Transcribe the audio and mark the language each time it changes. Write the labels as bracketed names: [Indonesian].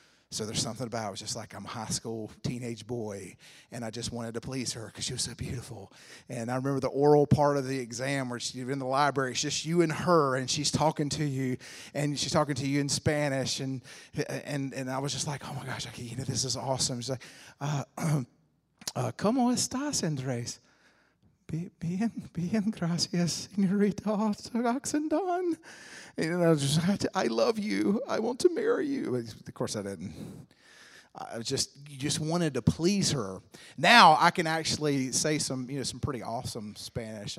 [English] So there's something about it. It was just like, I'm a high school teenage boy, and I just wanted to please her because she was so beautiful. And I remember the oral part of the exam where she's in the library. It's just you and her, and she's talking to you, and she's talking to you in Spanish. And I was just like, oh, my gosh, okay, you know, this is awesome. She's like, [Spanish] ¿cómo estás, Andrés? Bien, gracias, señorita Oxendon. [English] And I was just, I love you. I want to marry you. But of course, I didn't. I just wanted to please her. Now I can actually say some pretty awesome Spanish.